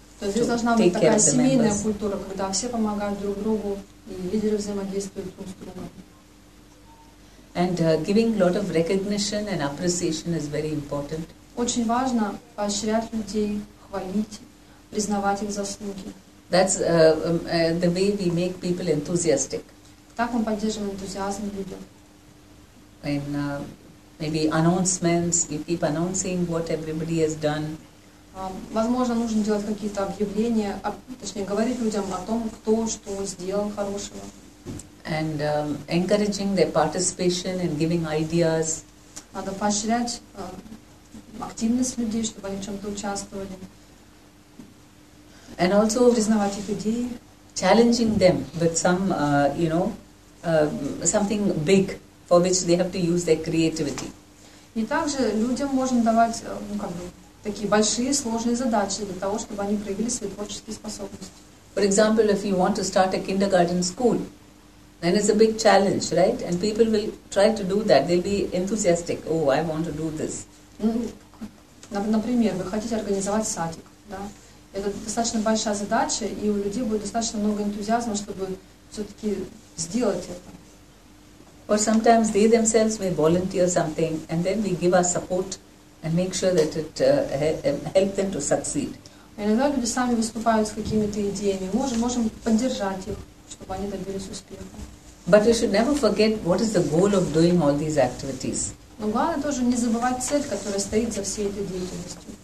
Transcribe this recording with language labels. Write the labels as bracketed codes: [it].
[ru] То есть здесь должна быть такая семейная культура, когда все помогают друг другу и лидеры взаимодействуют друг с другом. [en] And giving lot of recognition and appreciation is very important. [ru] Очень важно поощрять людей, хвалить, признавать их заслуги. [en] That's the way we make people enthusiastic. [ru] Так мы поддерживаем энтузиазм людей. [en] In maybe announcements, you keep announcing what everybody has done. [ru] Возможно, нужно делать какие-то объявления, точнее, говорить людям о том, кто что сделал хорошего. [en] And encouraging their participation and giving ideas. [ru] Надо поощрять активность людей, чтобы они в чем-то участвовали. [en] And also [ru] признавать их идеи. [en] Challenging them with some, you know, something big for which they have to use their creativity. [ru] И также людям можно давать, ну, как бы, такие большие сложные задачи для того, чтобы они проявили свои творческие способности. [en] For example, if you want to start a kindergarten school, then it's a big challenge, right? And people will try to do that. They'll be enthusiastic. Oh, I want to do this. [ru] Например, вы хотите организовать садик, да? Это достаточно большая задача, и у людей будет достаточно много энтузиазма, чтобы все-таки сделать это. [en] Or sometimes they themselves may volunteer something, and then we give our support and make sure that it help them to succeed. [ru] Иногда люди сами выступают с какими-то идеями. Можем поддержать их, чтобы они добились успеха. [en] But we should never forget what is the goal of doing all these activities. [ru] Но главное тоже не забывать цель, которая стоит за всей этой деятельностью.